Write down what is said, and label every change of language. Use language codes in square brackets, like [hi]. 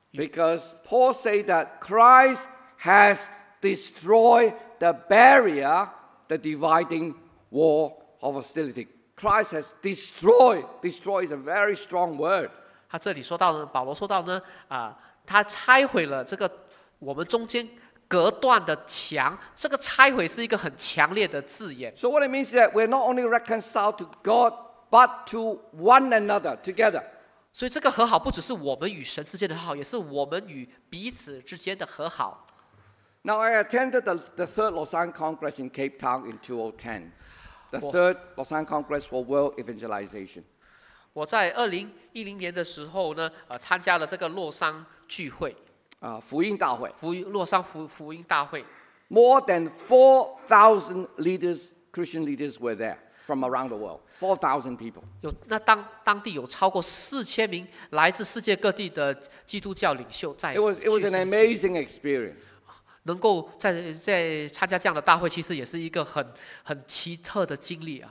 [en] Because Paul said that Christ has destroyed the barrier, the dividing wall of hostility. Christ has destroyed. Destroy is a very strong word. [zh] 他这里说到呢，保罗说到呢，他拆毁了这个我们中间隔断的墙。这个拆毁是一个很强烈的字眼。 [en] So what it means is that we're not only reconciled to God, but to one another together. [zh] 所以这个和好不只是我们与神之间的和好，也是我们与彼此之间的和好。 [en] Now I attended the third Lausanne Congress in Cape Town in 2010. The third Lausanne Congress for World Evangelization. [zh] 我在2010年的时候呢，参加了这个洛桑聚会，福音大会，洛桑福音大会。 [en] More than 4,000 leaders, Christian leaders were there from around the world. 4,000 people. [zh] 有那当地有超过4,000名来自世界各地的基督教领袖在。 [en] It was an amazing experience. [zh] 能够在参加这样的大会，其实也是一个很奇特的经历啊。